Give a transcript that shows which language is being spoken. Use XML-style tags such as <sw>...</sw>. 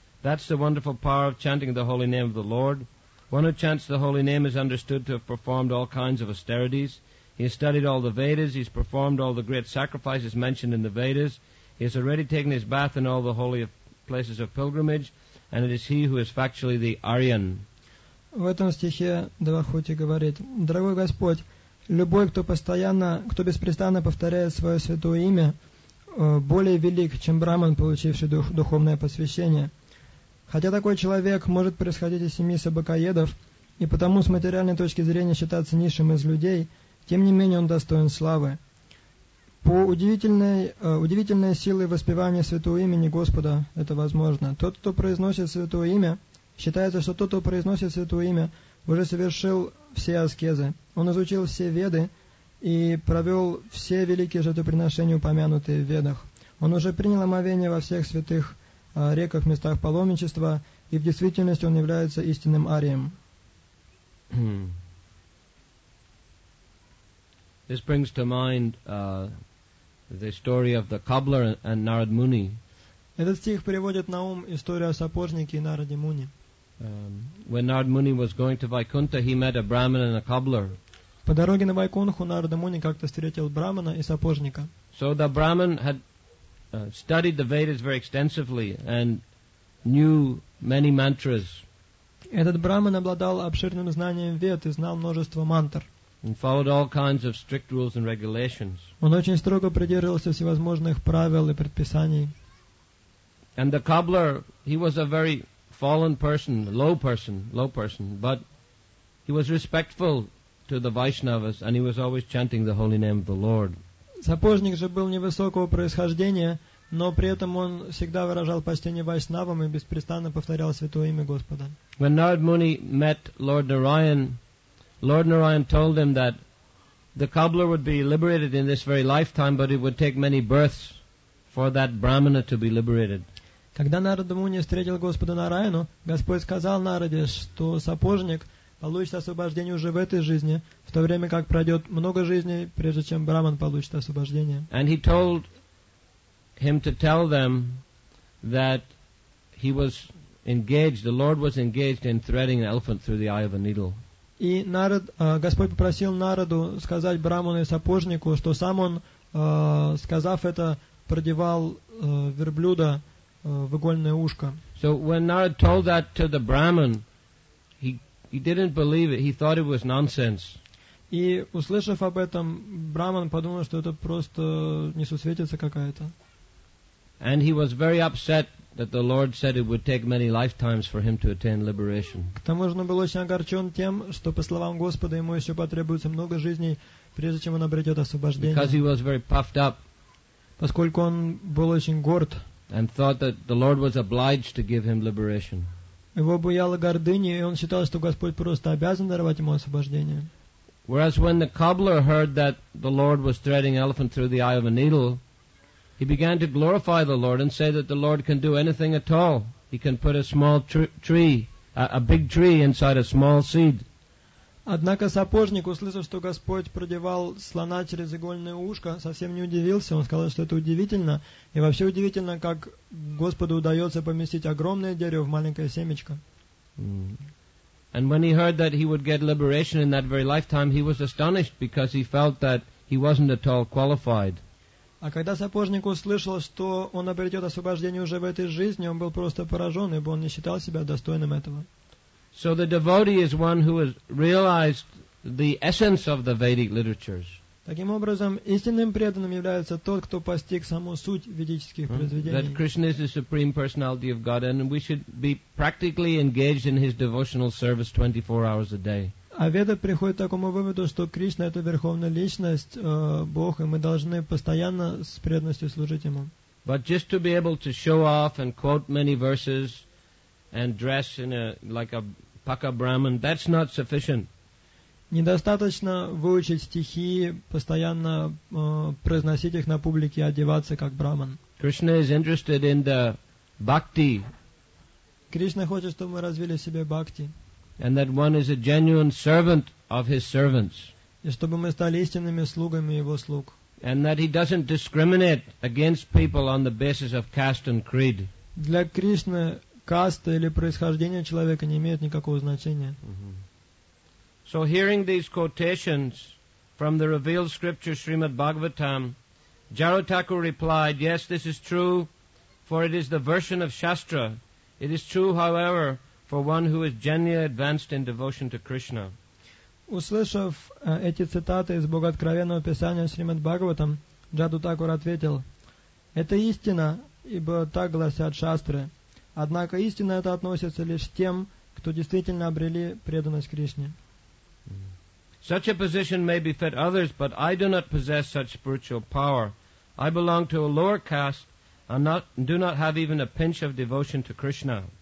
<en>That's the wonderful power of chanting the holy name of the Lord. One who chants the holy name is understood to have performed all kinds of austerities. He has studied all the Vedas. He has performed all the great sacrifices mentioned in the Vedas. He has already taken his bath in all the holy places of pilgrimage. And it is he who is factually the Aryan.</en> <ru>В этом стихе Девахути говорит, «Дорогой Господь, любой, кто беспрестанно повторяет свое святое имя, более велик, чем браман, получивший духовное посвящение. Хотя такой человек может происходить из семьи собакоедов и потому с материальной точки зрения считаться низшим из людей, тем не менее он достоин славы. По удивительной силе воспевания святого имени Господа это возможно. Тот, кто произносит святое имя, считается, что тот, кто произносит святое имя, уже совершил все аскезы. Он изучил все веды и провел все великие жертвоприношения, упомянутые в ведах. Он уже принял омовение во всех святых реках, местах паломничества, и в действительности он является истинным арием.</ru> <en>This brings to mind the story of the cobbler and Narad Muni.</en> <ru>Этот стих приводит на ум историю о сапожнике и Нараде Муни.</ru> <en>When Narad Muni was going to Vaikuntha, he met a Brahmin and a cobbler.</en> <ru>По дороге на Вайкунху Нарада Муни как-то встретил брахмана и сапожника.</ru> <en>So the Brahmin had studied the Vedas very extensively and knew many mantras.</en> <ru>Этот брахман обладал обширным знанием вед и знал множество мантр.</ru> <en>And followed all kinds of strict rules and regulations.</en> <ru>Он очень строго придерживался всевозможных правил и предписаний.</ru> <en>And the cobbler, he was a very fallen person, low person, but he was respectful to the Vaishnavas and he was always chanting the holy name of the Lord.</en> <ru>Сапожник же был невысокого происхождения, но при этом он всегда выражал почтение вайшнавам и беспрестанно повторял святое имя Господа.</ru> <en>When Narad Muni met Lord Narayan, Lord Narayan told him that the cobbler would be liberated in this very lifetime, but it would take many births for that brahmana to be liberated.</en> <ru>Когда Нарада Муни встретил Господа Нараяну, Господь сказал Нараде, что сапожник получит освобождение уже в этой жизни, в то время как пройдет много жизней, прежде чем браман получит освобождение.</ru> <en>And he told him to tell them that he was engaged, the Lord was engaged in threading an elephant through the eye of a needle.</en> <ru>И Нарад, Господь попросил Нараду сказать браману и сапожнику, что сам он, сказав это, продевал верблюда в игольное ушко.</ru> <en>So when Narad told that to the Brahmin, he didn't believe it. He thought it was nonsense.</en> <ru>И услышав об этом, Брахман подумал, что это просто несусветица какая-то.</ru> <en>And he was very upset that the Lord said it would take many lifetimes for him to attain liberation.</en> <ru>К тому же он был очень огорчен тем, что по словам Господа ему еще потребуется много жизней, прежде чем он обретет освобождение.</ru> <en>Because he was very puffed up.</en> <ru>Поскольку он был очень горд.</ru> <en>And thought that the Lord was obliged to give him liberation.</en> <ru>Его буяло гордыня, и он считал, что Господь просто обязан даровать ему освобождение.</ru> <en>Whereas when the cobbler heard that the Lord was threading an elephant through the eye of a needle, he began to glorify the Lord and say that the Lord can do anything at all. He can put a small tree, a big tree inside a small seed.</en> <ru>Однако сапожник, услышав, что Господь продевал слона через игольное ушко, совсем не удивился. Он сказал, что это удивительно. И вообще удивительно, как Господу удается поместить огромное дерево в маленькое семечко.</ru> <en>And when he heard that he would get liberation in that very lifetime, he was astonished because he felt that he wasn't at all qualified.</en> <ru>А когда сапожник услышал, что он обретет освобождение уже в этой жизни, он был просто поражен, ибо он не считал себя достойным этого.</ru> <en>So the devotee is one who has realized the essence of the Vedic literatures.</en> <ru>Таким образом, истинным преданным является тот, кто постиг саму суть ведических произведений.</ru> <en>That Krishna is the supreme personality of God and we should be practically engaged in his devotional service 24 hours a day.</en> <ru>А веда приходит к такому выводу, что Кришна это верховная личность, Бог, и мы должны постоянно с преданностью служить ему.</ru> <en>But just to be able to show off and quote many verses and dress in a like a paka brahman, that's not sufficient.</en> <ru>Недостаточно выучить стихи, постоянно произносить их на публике, одеваться как брахман.</ru> <en>Krishna is interested in the bhakti.</en> <ru>Кришна хочет, чтобы мы развили в себе бхакти.</ru> <en>And that one is a genuine servant of his servants.</en> <ru>И чтобы мы стали истинными слугами Его слуг.</ru> <en>And that He doesn't discriminate against people on the basis of caste and creed.</en> <ru>Для Кришны каста или происхождение человека не имеет никакого значения.</ru> <en>So hearing these quotations from the revealed scripture Srimad Bhagavatam, Jarutaku replied, "Yes, this is true, for it is the version of Shastra. It is true, however, for one who is genuinely advanced in devotion to Krishna."</en> <ru>Услышав эти цитаты из Богооткровенного Писания Шримад Бхагаватам, Джадутакур ответил, «Это истина, ибо так гласят шастры. Однако истина это относится лишь тем, кто действительно обрели преданность Кришне».</ru> <en>Such a position may befit others, but I do not possess such spiritual power. I belong to a lower caste and do not have even a pinch of devotion to Krishna.</en>